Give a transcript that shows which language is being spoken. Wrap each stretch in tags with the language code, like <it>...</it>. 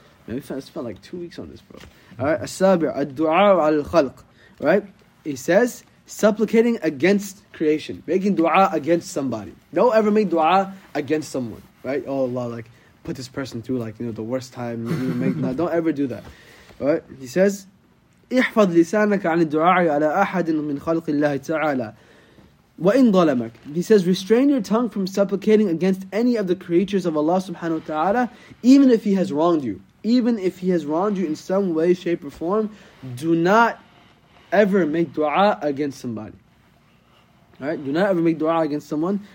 <en>Man, we spent like 2 weeks on this, bro. All right? Sabia. Ad-du'a al-khalq. Right? He says... supplicating against creation, making dua against somebody. Don't ever make dua against someone, right? Oh Allah, like, put this person through, like, you know, the worst time. Don't ever do that, right?</en> <ar>He says, احفظ لسانك عن الدعاء على أحد من خلق الله تعالى وإن ظلمك.</ar> <en>He says, restrain your tongue from supplicating against any of the creatures of Allah subhanahu wa ta'ala, even if he has wronged you. Even if he has wronged you in some way, shape, or form, do not ever make dua against somebody. Alright, do not ever make dua against someone.</en>